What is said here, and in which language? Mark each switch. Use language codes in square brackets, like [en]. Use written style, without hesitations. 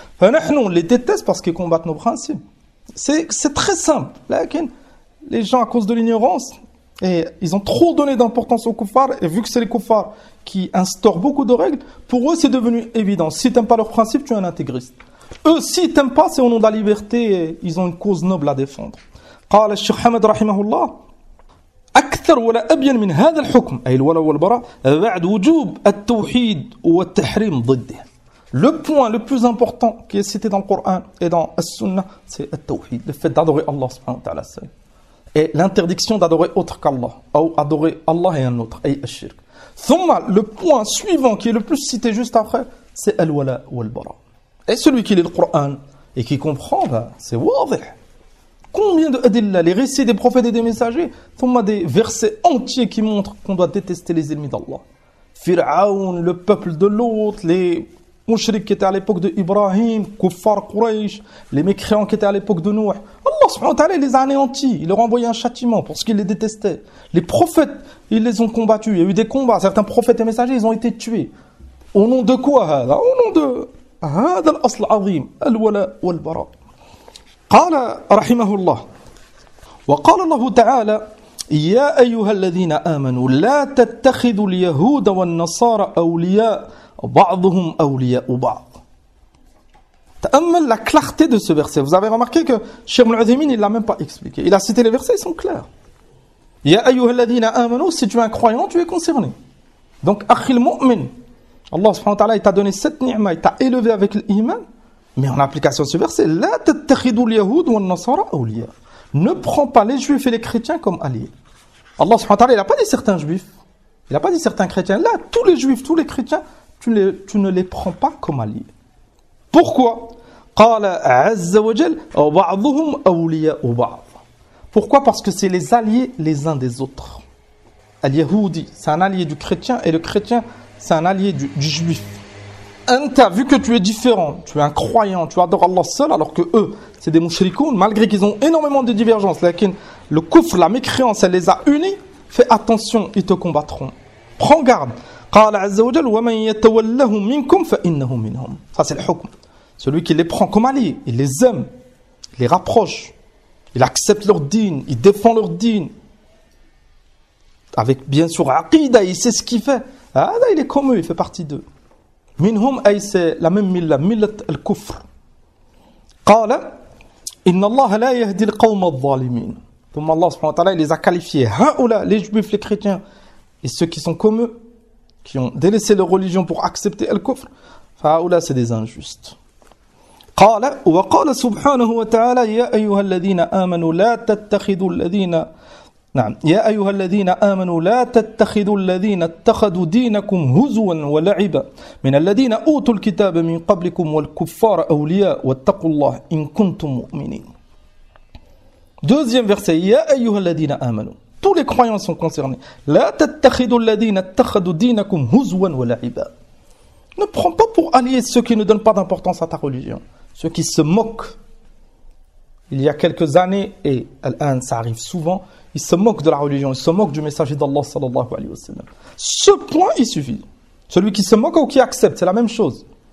[fr] Enfin, nous, on les déteste parce qu'ils combattent nos principes. C'est très simple. Les gens, à cause de l'ignorance, et ils ont trop donné d'importance aux koufars, et vu que c'est les koufars qui instaurent beaucoup de règles, pour eux, c'est devenu évident. Si tu n'aimes pas leurs principes, tu es un intégriste. Eux, s'ils ne t'aiment pas, c'est au nom de la liberté, et ils ont une cause noble à défendre. [ar] قال الشيخ حمد رحمه الله أكثر ولا أبين من هذا الحكم أي الولاء والبراء بعد وجوب التوحيد والتحريم ضده. [fr] Le point le plus important qui est cité dans le Coran et dans la Sunna, c'est le tawhid, le fait d'adorer Allah subhanahu wa ta'ala seul. Et l'interdiction d'adorer autre qu'Allah, ou adorer Allah et un autre, [ar] ay al-shirk. [fr] Thumma, le point suivant qui est le plus cité juste après, c'est al-wala wal-bara. Et celui qui lit le Coran et qui comprend, ben, c'est wadih. Combien de adillah, les récits des prophètes et des messagers, thumma des versets entiers qui montrent qu'on doit détester les ennemis d'Allah. Fir'aoun, le peuple de l'autre, les Mouchriq qui était à l'époque de Ibrahim, Kuffar, Quraysh, les mécréants qui étaient à l'époque de Nouh. Allah subhanahu wa ta'ala les a anéantis. Il leur a envoyé un châtiment pour ce qu'ils les détestaient. Les prophètes, ils les ont combattus. Il y a eu des combats. Certains prophètes et messagers, ils ont été tués. Au nom de quoi ? Au nom de... [ar] هذا الأصل العظيم الولاء والبراء. قال رحمه الله وقال الله تعالى يا أيها الذين آمنوا لا تتخذوا اليهود والنصارى أولياء بعضهم أولياء بعض. تأمل [fr] la clarté de ce verset. Vous avez remarqué que Cheikh Al-Uthaymeen, il l'a même pas expliqué. Il a cité les versets, ils sont clairs. [ar] يا أيها الذين آمنوا, [fr] si tu es un croyant, tu es concerné. Donc [ar] أخي المؤمن, [fr] Allah subhanahu wa ta'ala, il t'a donné cette ni'ma, il t'a élevé avec l'iman, mais en application de ce verset, [ar] لا تتخذوا اليهود والنصارى أولياء. [fr] Ne prends pas les juifs et les chrétiens comme alliés. Allah subhanahu wa ta'ala, il n'a pas dit certains juifs. Il n'a pas dit certains chrétiens. Là, tous les juifs, tous les chrétiens, tu ne les prends pas comme alliés. Pourquoi ? [ar] قال عز وجل بعضهم أولياء بعض. [fr] Pourquoi ? Parce que c'est les alliés les uns des autres. Al-Yahoudi, c'est un allié du chrétien et le chrétien, c'est un allié du juif. Anta, vu que tu es différent, tu es un croyant, tu adores Allah seul, alors que eux, c'est des mouchrikoun, malgré qu'ils ont énormément de divergences, le kufr, la mécréance, elle les a unis, fais attention, ils te combattront. Prends garde. قال عز وجل ومن يتولهم منكم فإنه منهم. Ça, c'est le hukm. Celui qui les prend comme alliés, il les aime, il les rapproche, il accepte leur din, il défend leur din. Avec, bien sûr, aqida, il sait ce qu'il fait. Ah, là, il est comme eux, il fait partie d'eux. [ar] Minhum, [fr] c'est la même mille, [ar] millat al-kufr. Qala, inna Allah la yahdi al-qawm al-zalimin. [fr] Donc Allah, subhanahu wa ta'ala, il les a qualifiés. Ha'oula, les juifs, les chrétiens, et ceux qui sont comme eux, qui ont délaissé leur religion pour accepter al-kufr, fa'oula, c'est des injustes. [ar] Qala, wa qala subhanahu wa ta'ala, ya ayyuha alladhina amanu, la tattakhidu alladhina... نعم يا أيها الذين آمنوا لا تتخذوا الذين اتخذوا دينكم هزوا ولعبا من الذين أوتوا الكتاب من قبلكم والكفار أولياء واتقوا الله إن كنتم مؤمنين. [fr] Deuxième verset, [ar] يا أيها الذين آمنوا, [fr] tous les croyants sont concernés. [ar] لا تتخذوا الذين اتخذوا دينكم هزوا ولعبا. [fr] Ne prends pas pour alliés ceux qui ne donnent pas d'importance à ta religion, ceux qui se moquent. Il y a quelques années, et al-an, ça arrive souvent, ils se moquent de la religion, ils se moquent du messager d'Allah sallallahu alayhi wa sallam. Ce point, il suffit. Celui qui se moque ou qui accepte, c'est la même chose.